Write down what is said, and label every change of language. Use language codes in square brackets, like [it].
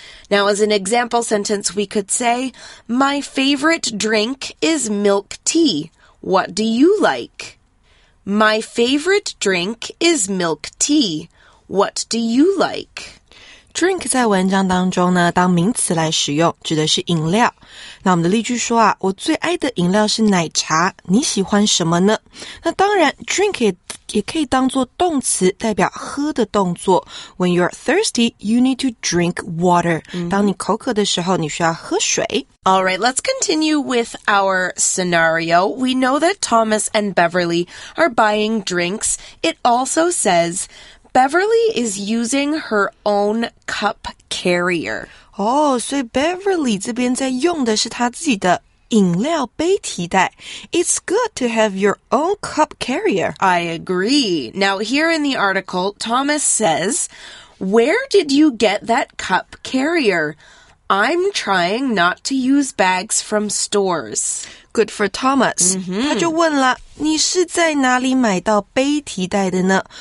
[en] Now, as an example sentence, we could say, My favorite drink is milk tea. What do you like? My favorite drink is milk tea. What do you like? [zh] Drink 在文章当中呢，当名词来使用，指的是饮料。那我们的例句说啊，我最爱的饮料是奶茶，你喜欢什么呢？那当然 ,drink 也可以当作动词，代表喝的动作。 [en] When you're thirsty, you need to drink water.、Mm-hmm. [zh] 当你口渴的时候，你需要喝水。 [en] Alright, let's continue with our scenario. We know that Thomas and Beverly are buying drinks. It also says... Beverly is using her own cup carrier. Oh, so [zh] Beverly 这边在用的是她自己的饮料杯提袋。 [en] It's good to have your own cup carrier. I agree. Now, here in the article, Thomas says, Where did you get that cup carrier? I'm trying not to use bags from stores. Good for Thomas.、 Mm-hmm. [zh] 他就问了，你是在哪里买到杯提袋的呢？